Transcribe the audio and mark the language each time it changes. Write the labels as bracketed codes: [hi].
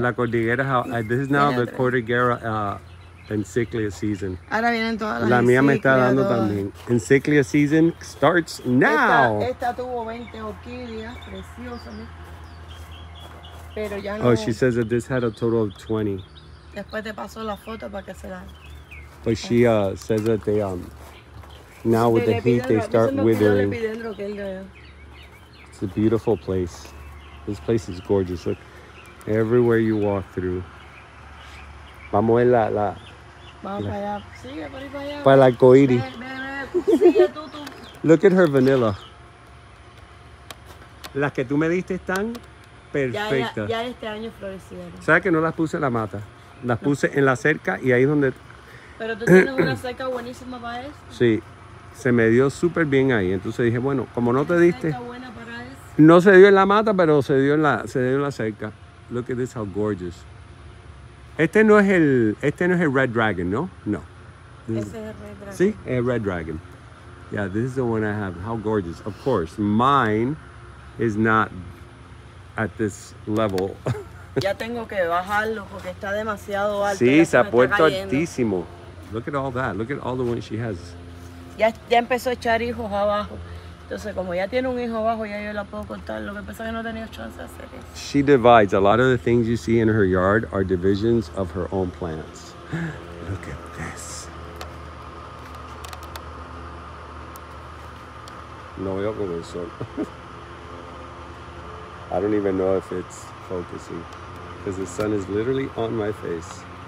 [en] La cordillera, this is now the cordillera encyclia season. [es] Ahora vienen todas las La mía me está dando todas. También. [en] Encyclia season starts now. [es] Esta tuvo 20 orquídeas, preciosas. Pero ya no. [en] Oh, she says that this had a total of 20. [es] Después te paso la foto para que se la. [en] But she says that they now with the heat they start withering. It's a beautiful place. This place is gorgeous. Look, everywhere you walk through. [es] Vamos a la. Vamos la, para allá. Sigue por ahí para allá. Para la coiri. Sigue tú. [en] Look at her vanilla. [es] Las que tú me diste están perfectas. Ya este año florecieron. ¿Sabes que no las puse en la mata? Las puse en la cerca y ahí es donde. Pero tú tienes una cerca buenísima para eso. Sí. Se me dio súper bien ahí. Entonces dije, bueno, como no te diste. Buena para No se dio en la mata, pero se dio en la cerca. [en] Look at this, how gorgeous. [es] Este no es el Red Dragon, ¿no? No. Ese es el Red Dragon. [en] Sí, el Red Dragon. Yeah, this is the one I have. How gorgeous. Of course, mine is not at this level. [es] Ya tengo que bajarlo porque está demasiado alto. Sí, se ha puesto altísimo. [en] Look at all that. Look at all the ones she has. [es] Ya empezó a echar hijos abajo. Entonces, como ya tiene un hijo abajo, ya yo la puedo contar. Lo que pensaba que no tenía chance de hacer eso. [en] She divides. A lot of the things you see in her yard are divisions of her own plants. Look at this. [es] No veo con el sol. [en] I don't even know if it's focusing. Because the sun is literally on my face.